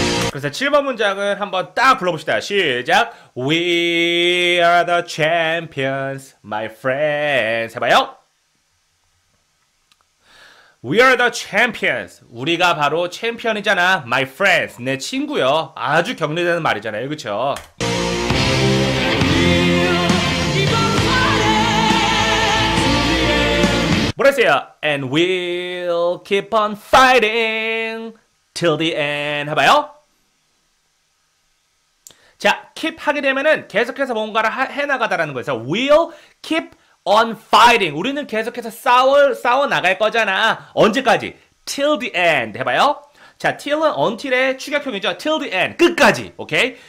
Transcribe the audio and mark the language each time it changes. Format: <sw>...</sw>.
<ko>그래서 7번 문장을 한번 딱 불러봅시다. 시작.</ko> <en>We are the champions, my friends.</en> <ko>해봐요.</ko> <en>We are the champions.</en> <ko>우리가 바로 챔피언이잖아.</ko> <en>My friends.</en> <ko>내 친구요. 아주 격려되는 말이잖아요. 그쵸? 뭐랬어요?</ko> <en>And we'll keep on fighting till the end.</en> <ko>해봐요. 자, keep 하게 되면은 계속해서 뭔가를 해나가다라는 거예요.</ko> <en>We'll keep on fighting.</en> <ko>우리는 계속해서 싸워 나갈 거잖아. 언제까지?</ko> <en>Till the end.</en> <ko>해봐요. 자, till은 until의 축약형이죠.</ko> <en>till the end.</en> <ko>끝까지. 오케이?</ko>